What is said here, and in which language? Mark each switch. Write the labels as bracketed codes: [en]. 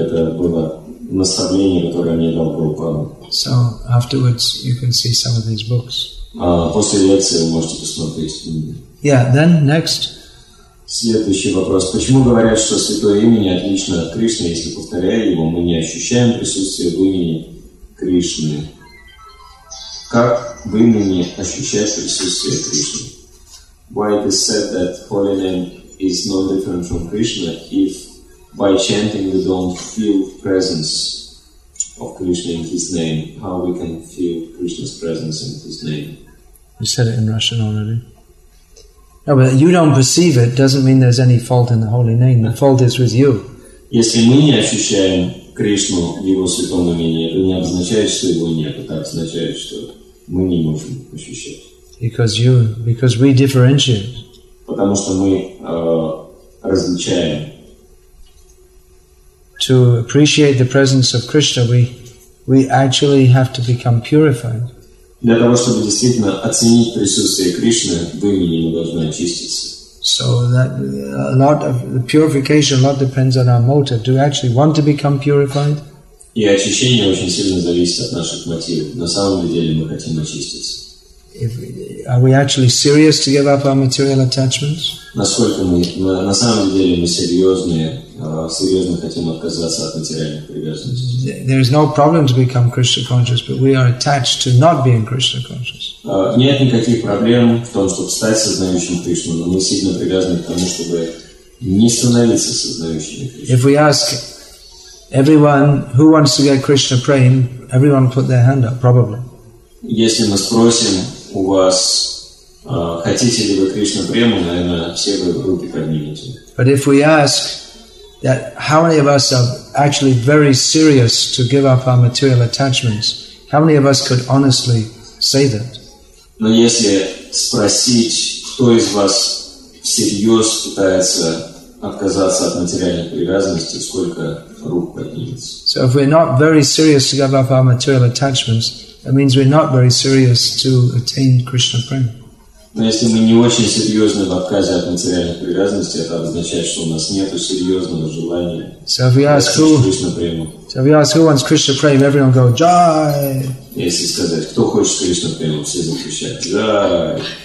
[ru] Это было наставление, которое мне дал Прабхупада. [en] So afterwards you can see some of these books. [ru] После лекции вы можете посмотреть книги. [en] Yeah, then next. [ru] Следующий вопрос. Почему говорят, что святое имя не отлично от Кришны, если повторяя его, мы не ощущаем присутствие в имени Кришны? Как в имени ощущать присутствие Кришны? [en] Why it is said that holy name is no different from Krishna if by chanting we don't feel presence of Krishna in His name? How we can feel Krishna's presence in His name? You said it in Russian already. No, but you don't perceive it doesn't mean there's any fault in the holy name. The fault is with you. [ru] Если мы не ощущаем Кришну в Его святом имени, это не означает, что Его нет. Это означает, что мы не можем ощущать. [en] Because we differentiate. [ru] Потому что мы различаем. [en] To appreciate the presence of Krishna, we actually have to become purified. [ru] Для того, чтобы действительно оценить присутствие Кришны, в имени мы должны очиститься. [en] So that a lot of the purification, a lot depends on our motive. Do we actually want to become purified? [ru] И очищение очень сильно зависит от наших мотивов. На самом деле мы хотим очиститься. [en] Are we actually serious to give up our material attachments? [ru] Насколько мы на самом деле мы серьезно хотим отказаться от материальных привязанностей? [en] There is no problem to become Krishna conscious, but we are attached to not being Krishna conscious. [ru] Нет никаких проблем в том, чтобы стать сознающим Кришну, но мы сильно привязаны к тому, чтобы не становиться сознающими Кришну. [en] If we ask everyone who wants to get Krishna praying, everyone put their hand up, probably. [ru] Если мы спросим у вас, хотите ли вы Кришна прему, наверное, все вы руки поднимете. [en] But if we ask that how many of us are actually very serious to give up our material attachments, how many of us could honestly say that? [ru] Но если спросить, кто из вас всерьез пытается отказаться от материальной привязанности, сколько рук поднимется? [en] So if we're not very serious to give up our material attachments, that means we're not very serious to attain Krishna prema. [ru] Но если мы не очень серьезны в отказе от материальных привязанностей, это означает, что у нас нет серьезного желания. [en] So if we ask who wants Krishna prema, everyone go jai. [ru] Если сказать, кто хочет Krishna prema, все закричат jai.